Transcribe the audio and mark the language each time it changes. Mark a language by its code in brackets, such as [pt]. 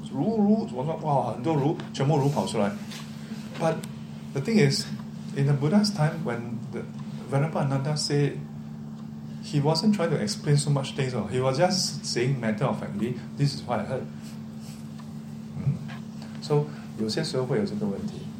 [zh] 如诸法如如如什么什么哇很多如全部如跑出来. [en] But the thing is, in the Buddha's time, when the Venerable Ananda said, he wasn't trying to explain so much things. He was just saying matter-of-factly, this is what I heard. [zh] So, 有些时候会有这个问题.